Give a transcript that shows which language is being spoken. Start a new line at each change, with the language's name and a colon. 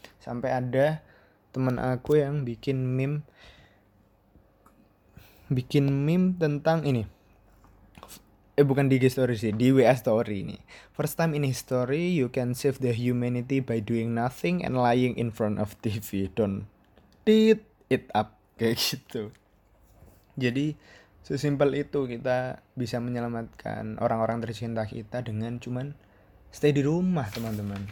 Indonesian: Sampai ada temen aku yang bikin meme tentang ini. Bukan di IG story sih, di WA story ini.
English: First time in history you can save the humanity by doing nothing and lying in front of TV. Don't eat it up.
Indonesian: Kayak gitu. Jadi sesimpel itu, kita bisa menyelamatkan orang-orang tercinta kita dengan cuman stay di rumah, teman-teman.